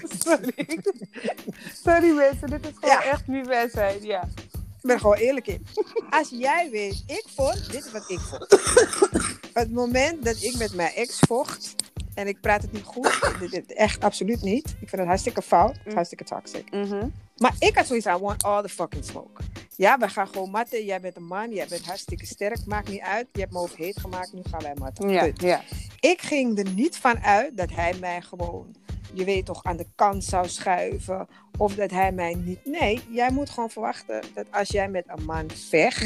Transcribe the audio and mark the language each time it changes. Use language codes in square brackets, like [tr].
[nl] Sorry. Sorry mensen, dit is gewoon echt wie wij zijn. Ja. Ik ben gewoon eerlijk in. Als jij weet, ik vond, dit is wat ik vond. Het moment dat ik met mijn ex vocht, en ik praat het niet goed, echt absoluut niet. Ik vind het hartstikke fout, hartstikke toxic. Mm-hmm. Maar ik had zoiets, [en] I want all the fucking smoke. [nl] Ja, we gaan gewoon matten. Jij bent een man, jij bent hartstikke sterk, maakt niet uit. Je hebt me over heet gemaakt, nu gaan wij matten. Ja, ja. Ik ging er niet van uit dat hij mij gewoon, je weet toch, aan de kant zou schuiven. Of dat hij mij niet... Nee, jij moet gewoon verwachten dat als jij met een man vecht...